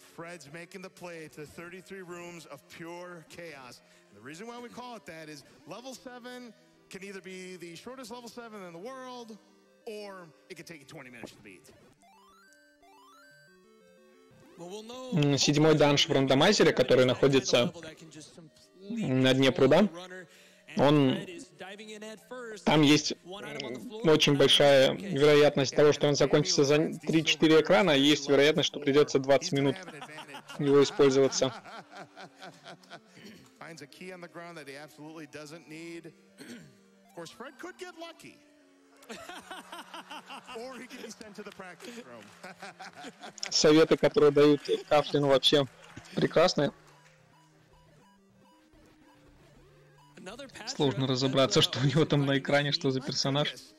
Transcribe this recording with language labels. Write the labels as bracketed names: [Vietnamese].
[English] Fred's making the play to 33 rooms of pure chaos. The reason why we call it that is level 7 can either be the shortest level 7 in the world, or it could take you 20 minutes to beat. [Russian] Седьмой данж в рандомайзере, который находится на дне пруда, он... Там есть очень большая вероятность того, что он закончится за 3-4 экрана, и есть вероятность, что придется 20 минут его использоваться. [English] Finds a key on the ground that he absolutely doesn't need. Of course, Fred could get lucky. Or he could be sent to the practice room. [Russian] Советы, которые дают Кафлину, вообще прекрасные. Сложно разобраться, что у него там на экране, что за персонаж.